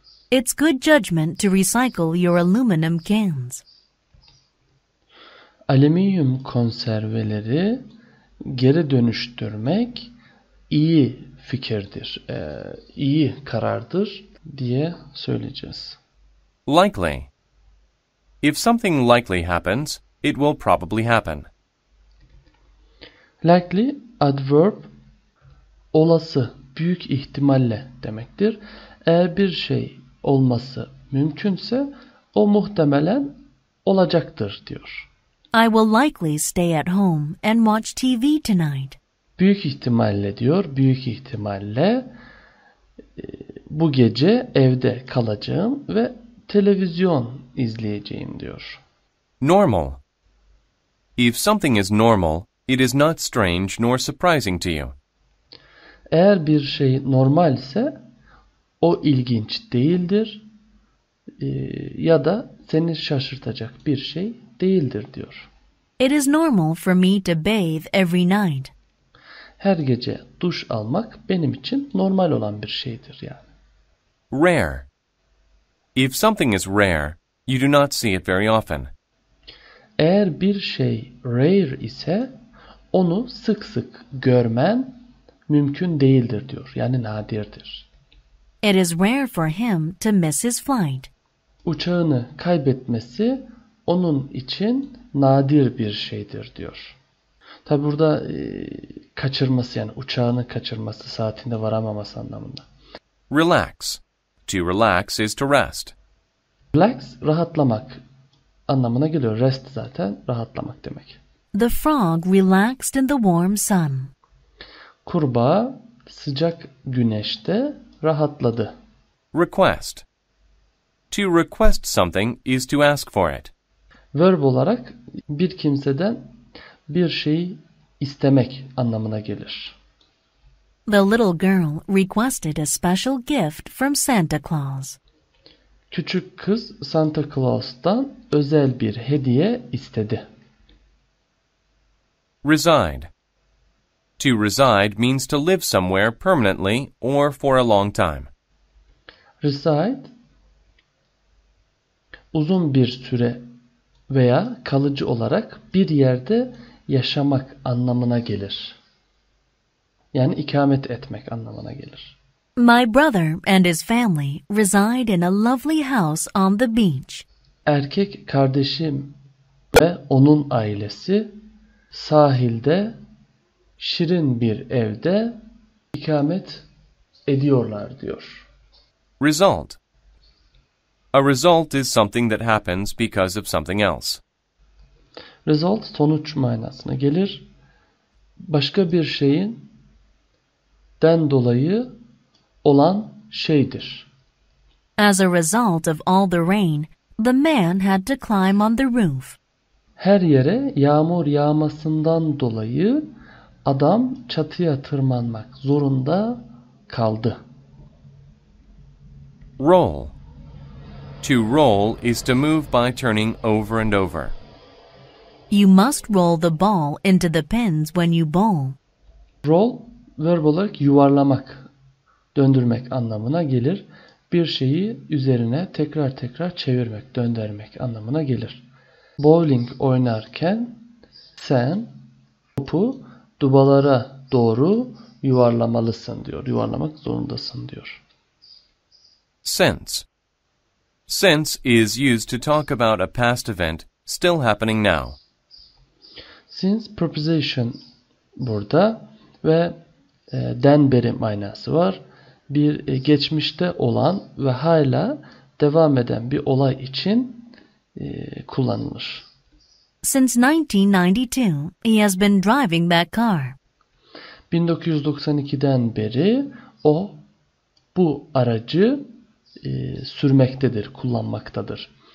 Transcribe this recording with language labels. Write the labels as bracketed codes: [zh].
[en] It's good judgment to recycle your aluminum cans. [tr] Alüminyum konserveleri geri dönüştürmek iyi fikirdir, iyi karardır diye söyleyeceğiz. [en] Likely. If something likely happens, it will probably happen. [tr] Likely, adverb, olası, büyük ihtimalle demektir. Eğer bir şey olması mümkünse, o muhtemelen olacaktır diyor. [en] I will likely stay at home and watch TV tonight. [tr] Büyük ihtimalle diyor, büyük ihtimalle bu gece evde kalacağım ve televizyon izleyeceğim diyor. [en] Normal. If something is normal, it is not strange nor surprising to you. [tr] Eğer bir şey normalse, o ilginç değildir ya da seni şaşırtacak bir şey değildir diyor. [en] It is normal for me to bathe every night. [tr] Her gece duş almak benim için normal olan bir şeydir yani. [en] Rare. If something is rare, you do not see it very often. [tr] Eğer bir şey rare ise, onu sık sık görmen mümkün değildir diyor. Yani nadirdir. [en] It is rare for him to miss his flight. [tr] Uçağını kaybetmesi onun için nadir bir şeydir diyor. Tabi burada kaçırması yani uçağını kaçırması saatinde varamaması anlamında. [en] Relax. To relax is to rest. [tr] Relax, rahatlamak anlamına geliyor. Rest zaten rahatlamak demek. [en] The frog relaxed in the warm sun. [tr] Kurbağa sıcak güneşte rahatladı. [en] Request. To request something is to ask for it. [tr] Verb olarak bir kimseden bir şeyi istemek anlamına gelir. [en] The little girl requested a special gift from Santa Claus. [tr] Küçük kız Santa Claus'tan özel bir hediye istedi. [en] Reside. To reside means to live somewhere permanently or for a long time. [tr] Reside, uzun bir süre veya kalıcı olarak bir yerde yaşamak anlamına gelir. Yani ikamet etmek anlamına gelir. [en] My brother and his family reside in a lovely house on the beach. [tr] Erkek kardeşim ve onun ailesi sahilde şirin bir evde ikamet ediyorlar diyor. [en] Result. A result is something that happens because of something else. [tr] Result sonuç manasına gelir. Başka bir şeyin den dolayı olan şeydir. [en] As a result of all the rain, the man had to climb on the roof. [tr] Her yere yağmur yağmasından dolayı adam çatıya tırmanmak zorunda kaldı. [en] Roll. To roll is to move by turning over and over. You must roll the ball into the pins when you bowl. [tr] Roll, verb olarak yuvarlamak, döndürmek anlamına gelir. Bir şeyi üzerine tekrar tekrar çevirmek, döndürmek anlamına gelir. Bowling oynarken sen topu dubalara doğru yuvarlamalısın diyor. Yuvarlamak zorundasın diyor. [en] Since. Since is used to talk about a past event still happening now. [tr] Since preposition burada ve den beri manası var. Bir geçmişte olan ve hala devam eden bir olay için kullanılır. [en] Since 1992, he has been driving that car. [tr] 1992'den beri o bu aracı sürmektedir, kullanmaktadır.